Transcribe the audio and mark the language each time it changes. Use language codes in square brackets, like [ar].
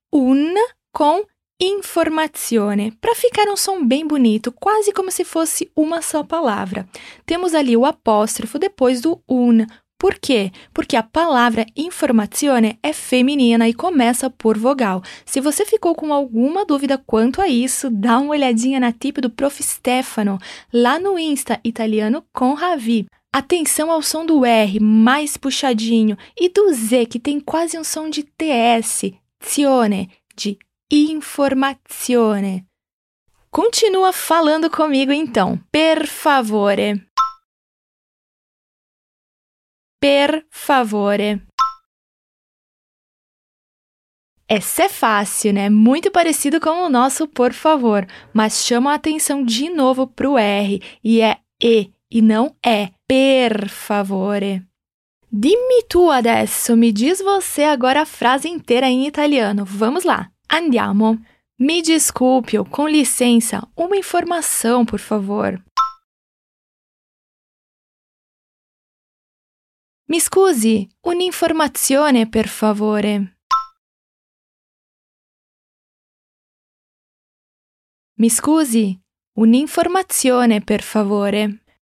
[pt] Un com informazione, para ficar um som bem bonito, quase como se fosse uma só palavra. Temos ali o apóstrofo depois do un. Por quê? Porque a palavra informazione é feminina e começa por vogal. Se você ficou com alguma dúvida quanto a isso, dá uma olhadinha na tip do Prof. Stefano, lá no Insta italiano com Ravi. Atenção ao som do R, mais puxadinho, e do Z, que tem quase um som de TS. [it] Informazione, de informazione. [pt] Continua falando comigo, então. [it] Per favore. Per favore. [pt] Essa é fácil, né? Muito parecido com o nosso por favor. Mas chama a atenção de novo para o R. E é E, e não é. [it] Per favore. Dimmi tu adesso, [pt] mi diz você agora a frase inteira em italiano. Vamos lá. [it] Andiamo. [pt] Mi disculpe, com licença, uma informação, por favor. [it] Mi scusi, un'informazione, per favore. Mi scusi, un'informazione, per favore.